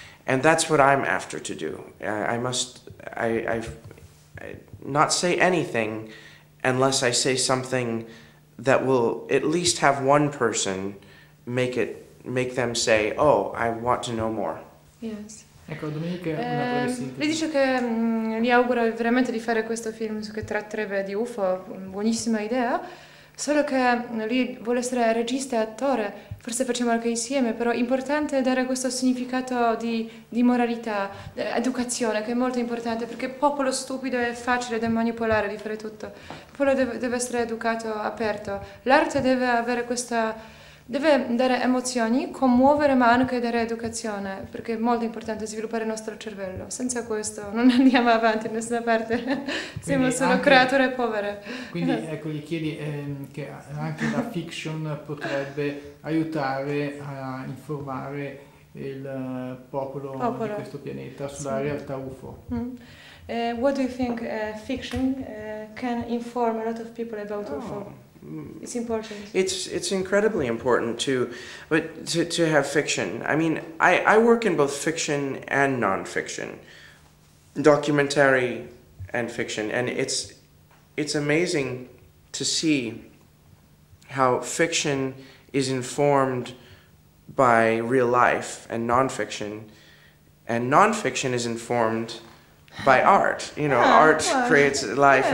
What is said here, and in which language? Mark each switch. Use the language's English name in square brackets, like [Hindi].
[English] And that's what I'm after to do. I not say anything unless I say something that will at least have one person make them say, oh, I want to know more. Yes. [Italian] Ecco, Dominika, una breve le dice che gli auguro veramente di fare questo film che tratterebbe di UFO, buonissima idea, solo che lui vuole essere regista e attore, forse facciamo anche insieme, però è importante dare questo significato di moralità, educazione, che è molto importante, perché popolo stupido è facile da manipolare, di fare tutto. Il popolo deve essere educato, aperto. L'arte deve avere questa... Deve dare emozioni, commuovere, ma anche dare educazione, perché è molto importante sviluppare il nostro cervello. Senza questo non andiamo avanti in nessuna parte, siamo solo creature povere. Quindi ecco, gli chiedi che anche la fiction potrebbe aiutare a informare il popolo di questo pianeta sulla realtà UFO. Mm. [English] What do you think fiction can inform a lot of people about UFO? It's important. It's incredibly important to have fiction. I mean, I work in both fiction and non-fiction, documentary and fiction, and it's amazing to see how fiction is informed by real life and non-fiction is informed by art, you know, art creates life,